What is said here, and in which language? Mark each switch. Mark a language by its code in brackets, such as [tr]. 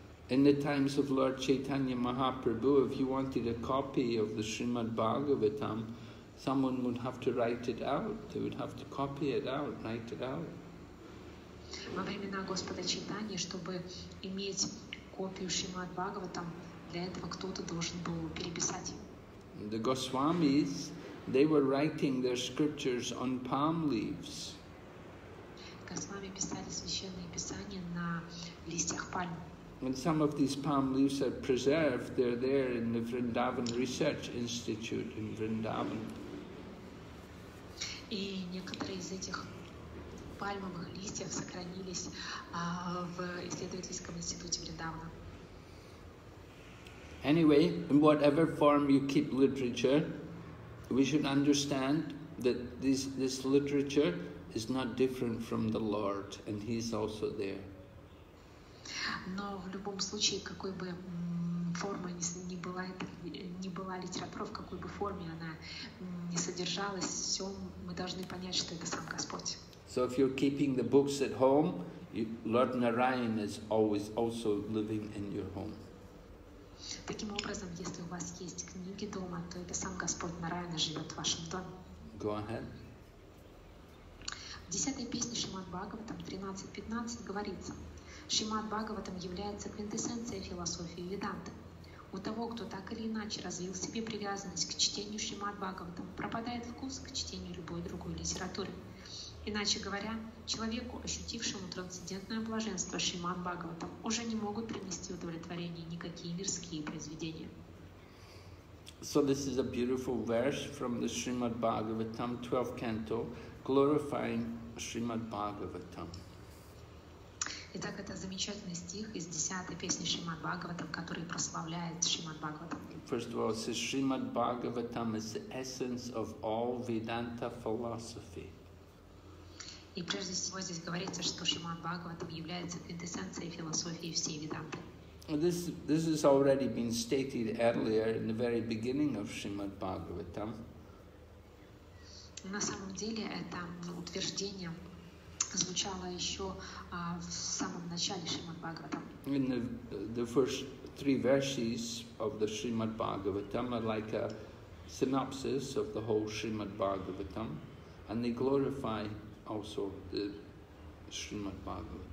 [en] In the times of Lord Chaitanya Mahaprabhu, if you wanted a copy of the Srimad Bhagavatam, someone would have to write it out. They would have to copy it out, write it out. [ru] Во времена Господа Чайтаньи, чтобы иметь копию Шримад Бхагаватам, для этого кто-то должен был переписать его. [en] The Goswamis, they were writing their scriptures on palm leaves. [ru] Goswami писали священные писания на листьях пальм. [en] And some of these palm leaves are preserved. They're there in the Vrindavan Research Institute in Vrindavan. [ru] И некоторые из этих пальмовых листьев сохранились в исследовательском институте Вриндавана. [en] Anyway, in whatever form you keep literature, we should understand that this literature is not different from the Lord, and He is also there. [ru] Но в любом случае, какой бы формы ни была литература, в какой бы форме она ни содержалась, все мы должны понять, что это сам Господь. [en] So if you're keeping the books at home, Lord Narayan is always also living in your home. [ru] Таким образом, если у вас есть книги дома, то это сам Господь Нараяна живет в вашем доме. [en] Go ahead. [ru] В 10-й песне Шримад Бхагаватам 13.15 говорится, Шримад Бхагаватам является квинтэссенцией философии Веданты. У того, кто так или иначе развил в себе привязанность к чтению Шримад Бхагаватам, пропадает вкус к чтению любой другой литературы. Иначе говоря, человеку, ощутившему трансцендентное блаженство Шримад Бхагаватам, уже не могут принести удовлетворение никакие мирские произведения. [en] So this is a beautiful verse from the Srimad Bhagavatam, 12th canto, glorifying Srimad Bhagavatam. [ru] Итак, это замечательный стих из 10-й песни Шримад Бхагаватам, который прославляет Шримад Бхагаватам. [en] First of all, it says Srimad Bhagavatam is the essence of all Vedanta philosophy. [ru] И прежде всего здесь говорится, что Шримад Бхагаватам является квинтэссенцией философии всей Веданты. [en] This has already been stated earlier in the very beginning of Shrimad Bhagavatam. [ru] На самом деле это утверждение звучало еще в самом начале Шримад Бхагаватам. [en] In the first three verses of the Shrimad Bhagavatam are like a synopsis of the whole Shrimad Bhagavatam, and they glorify also the Shrimad Bhagavatam.